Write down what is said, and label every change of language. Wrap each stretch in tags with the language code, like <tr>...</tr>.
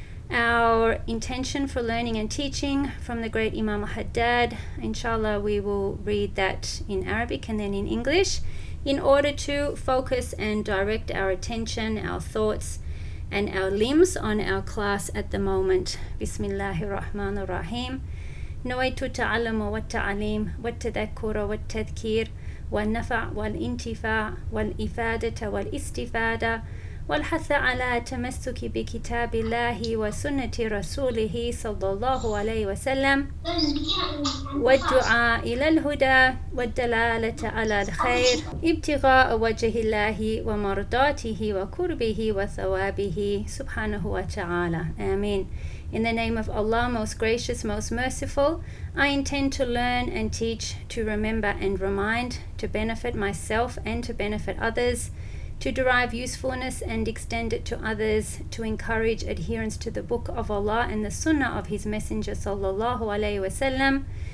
<en>Our intention for learning and teaching from the great Imam Haddad, inshallah, we will read that in Arabic and then in English, in order to focus and direct our attention, our thoughts, and our limbs on our class at the moment.</en> <ar>Bismillahir Rahmanir Rahim. Nawaitu ta'allama wa ta'aleem wa tadhakkura wa tadhkir wa nafa' wal intifa' wal ifadata wal istifada والحث على تمسك بكتاب الله وسنة رسوله صلى الله عليه وسلم والدعاء إلى الهدى والدلالة على الخير ابتغاء وجه الله ومرضاته وكربه وثوابه سبحانه وتعالى آمين.</ar> <en>In the name of Allah, most gracious, most merciful, I intend to learn and teach, to remember and remind, to benefit myself and to benefit others, to derive usefulness and extend it to others, to encourage adherence to the Book of Allah and the Sunnah of His Messenger sallallahu alayhi wa sallam,</en>